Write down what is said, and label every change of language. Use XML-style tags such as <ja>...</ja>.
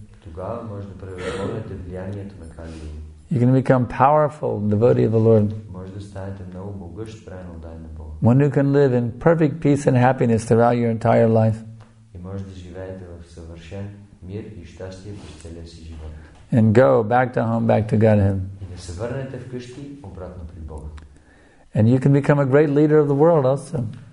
<bg>Тогава може да превъзмогнете влиянието на Кали Юга.</bg> <en>You can become powerful devotee of the Lord.</en> <bg>Може да станете много могъщ преданник на Бога.</bg> <en>One who can live in perfect peace and happiness throughout your entire life.</en> <bg>И може да живеете в съвършен мир и щастие през целия си живот.</bg> <en>And go back to home, back to Godhead.</en> <bg>И да се върнете вкъщи обратно при Бога.</bg> <en>And you can become a great leader of the world also.</en>